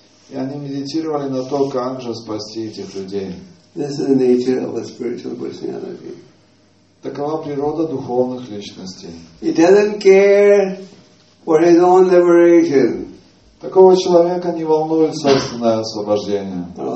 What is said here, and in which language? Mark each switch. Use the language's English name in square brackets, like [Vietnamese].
[Russian] И они медитировали на то, как же спасти этих людей. [English] This is the nature of a spiritual personality. [Russian] Такова природа духовных личностей. [English] He doesn't care for his own liberation. [Russian] Такого человека не волнует собственное освобождение.